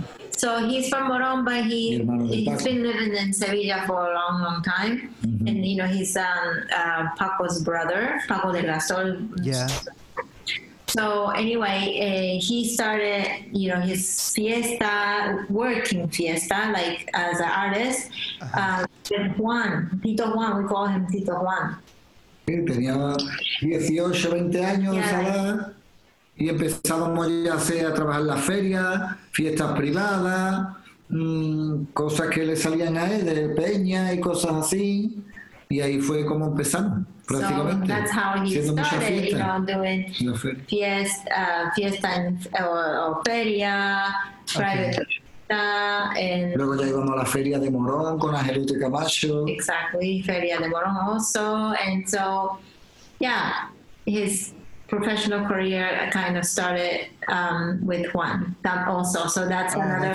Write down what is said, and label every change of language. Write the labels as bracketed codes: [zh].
[en] So he's from Morón, but he's been living in Sevilla for a long, long time. Mm-hmm. And, you know, he's Paco's brother, Paco del Castor. Yeah. So anyway, he started, you know, his fiesta, working fiesta, like as an artist. Uh-huh. Juan, Tito Juan, we call him Tito Juan. [es] Tenía 18, 20 años, [en] yeah, [es] esa edad, y empezábamos ya a trabajar las ferias, fiestas privadas, cosas que le salían a él, de peña y cosas así, y ahí fue como empezamos, prácticamente. [en] So that's how he started, you know, doing fiesta o feria, private. [es] Luego ya íbamos a la Feria de Morón con Angelito y Camacho. [en] Exactly, Feria de Morón also. And so, yeah, his professional career kind of started with Juan. That also, so that's another